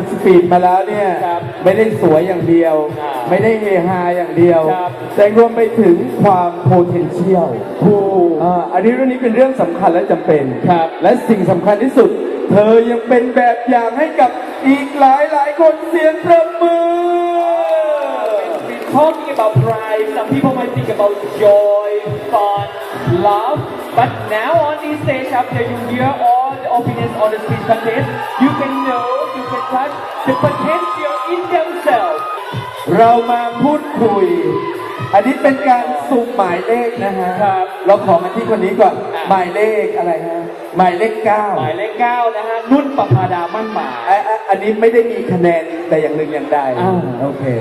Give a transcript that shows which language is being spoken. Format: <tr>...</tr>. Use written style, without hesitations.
<th>นสปีดมาแล้วเนี่ยไม่ได้สวยอย่างเดียวไม่ได้เฮฮาอย่างเดียวแต่รวมไปถึงความโพเทนเชียลอันนี้เรื่องนี้เป็นเรื่องสำคัญและจำเป็นและสิ่งสำคัญที่สุดเธอยังเป็นแบบอย่างให้กับอีกหลายหลายคนเสียงประมือ</th> <en>talking about pride some people might think about joy fun love but now on this stage after you hear all the opinions on the speech contest you can know you can touch the potential in themselves</en> <th>เรามาพูดคุยอันนี้เป็นการสุ่มหมายเลขนะฮะ ครับ เราขอมาที่คนนี้ก่อนหมายเลขอะไรฮะหมายเลข9 หมายเลข9นะฮะนุ่นประภาดามั่นหมาย อันนี้ไม่ได้มีคะแนนแต่อย่างหนึ่งอย่างใด โอเค</th>